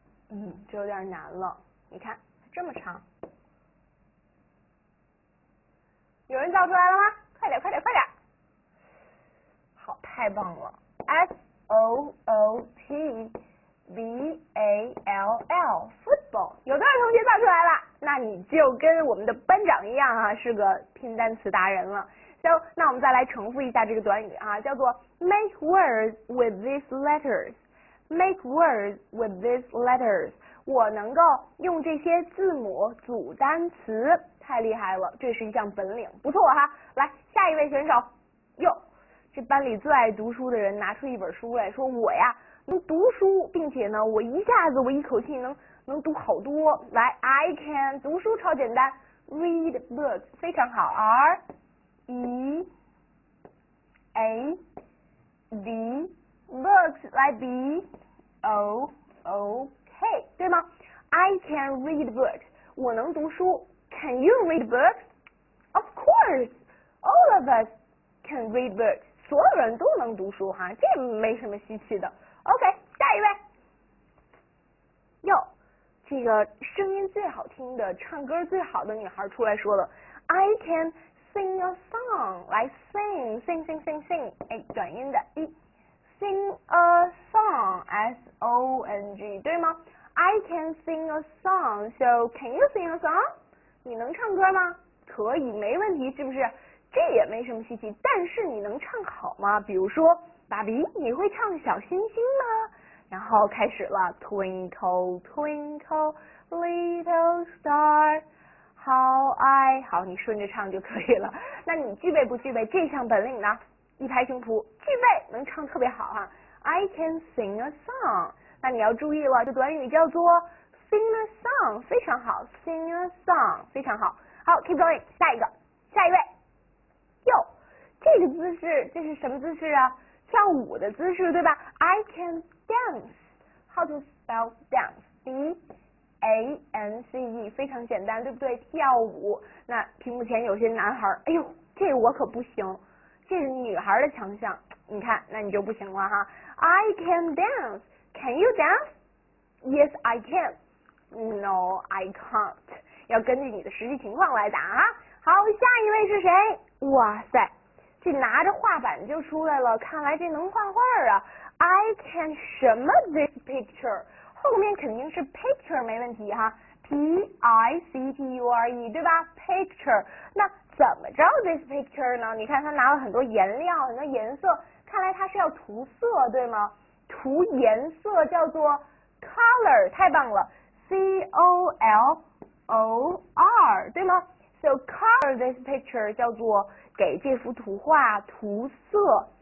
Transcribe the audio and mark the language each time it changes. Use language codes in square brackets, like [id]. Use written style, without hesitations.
[zh] 嗯，这有点难了，你看这么长，有人造出来了吗？快点快点快点，好，太棒了。 [en] S O O T B A L L football， [zh] 有多少同学造出来了？那你就跟我们的班长一样啊，是个拼单词达人了。 So 那我们再来重复一下这个短语啊，叫做 [en] make words with these lettersMake words with these letters， [zh] 我能够用这些字母组单词，太厉害了，这是一项本领，不错哈。来，下一位选手，哟，这班里最爱读书的人拿出一本书来说，我呀能读书，并且呢我一下子我一口气能读好多。来， I can 读书超简单， read books 非常好， R E A D books， 来 B O O K， 对吗？ [en] I can read books， 我能读书。 Can you read books？ Of course， all of us can read books， [zh] 所有人都能读书哈，这没什么稀奇的。 OK， 下一位，哟，这个声音最好听的，唱歌最好的女孩出来说了， [en] I can sing a song， [zh] 来 sing sing sing sing sing， 哎，短音的 E，Sing a song, S-O-N-G, 对吗？ [en] I can sing a song, so can you sing a song? [zh] 你能唱歌吗？可以，没问题，是不是？这也没什么稀奇，但是你能唱好吗？比如说，爸比，你会唱小星星吗？ [en] 然后开始了， Twinkle, twinkle, little star, how I... [zh] 好，你顺着唱就可以了。那你具备不具备这项本领呢？一拍胸脯，具备，能唱特别好哈。 [en] I can sing a song， [zh] 那你要注意了，这短语叫做 [en] sing a song， 非常好， sing a song， 非常好。 [zh] 好， keep going， 下一个，下一位，哟，这个姿势，这是什么姿势啊？跳舞的姿势，对吧？ [en] I can dance， how to spell dance， D A N C E， [zh] 非常简单，对不对？跳舞。那屏幕前有些男孩，哎呦，这我可不行，这是女孩的强项，你看，那你就不行了哈。 [en] I can dance. Can you dance? Yes, I can. No, I can't. [zh] 要根据你的实际情况来答啊。好，下一位是谁？哇塞，这拿着画板就出来了，看来这能画画啊。 I can 什么 this picture， 后面肯定是 picture 没问题哈， P-I-C-T-U-R-E 对吧， picture。那怎么着 this picture 呢？你看他拿了很多颜料，很多颜色，看来他是要涂色对吗？涂颜色叫做 color， 太棒了， C-O-L-O-R 对吗？ [en] So color this picture [zh] 叫做给这幅图画涂色。